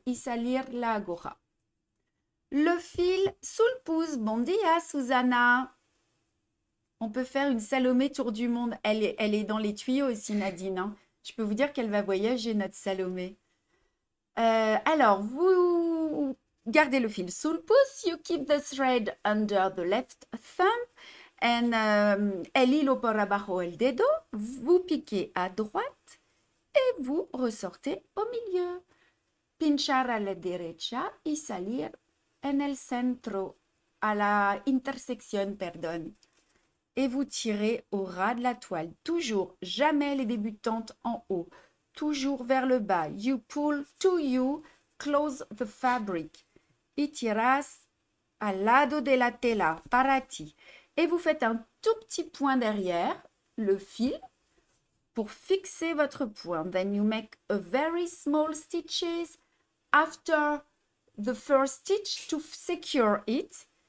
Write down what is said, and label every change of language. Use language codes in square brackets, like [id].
[es] Y salir la aguja. [fr] Le fil sous le pouce. [ca] Bon dia, Susanna. [fr] On peut faire une Salomé tour du monde. Elle est dans les tuyaux aussi, Nadine. Hein. Je peux vous dire qu'elle va voyager, notre Salomé. Alors, vous gardez le fil sous le pouce. [en] You keep the thread under the left thumb. [es] El hilo por abajo el dedo, [fr] vous piquez à droite et vous ressortez au milieu. [es] Pinchar a la derecha y salir en el centro, a la intersección, pardon. [fr] Et vous tirez au ras de la toile. Toujours, jamais les débutantes en haut. Toujours vers le bas. [en] You pull to you, close the fabric. [es] Y tiras al lado de la tela, para ti. [fr] Et vous faites un tout petit point derrière le fil pour fixer votre point. [en] Then you make a very small stitches after the first stitch to secure it.